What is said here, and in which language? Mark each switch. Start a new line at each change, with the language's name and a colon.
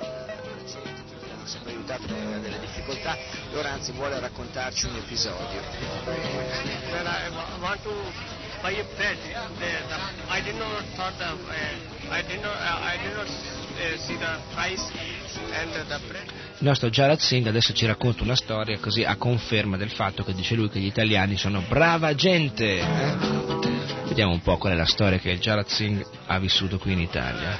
Italian: Ha sempre aiutato nelle delle difficoltà, ora anzi vuole raccontarci un episodio.
English: Well, I want to buy a bread. I did not thought that I did not see the price and the bread.
Italian: Il nostro Jarat Singh adesso ci racconta una storia così a conferma del fatto che dice lui che gli italiani sono brava gente. Vediamo un po' qual è la storia che Jarat Singh ha vissuto qui in Italia.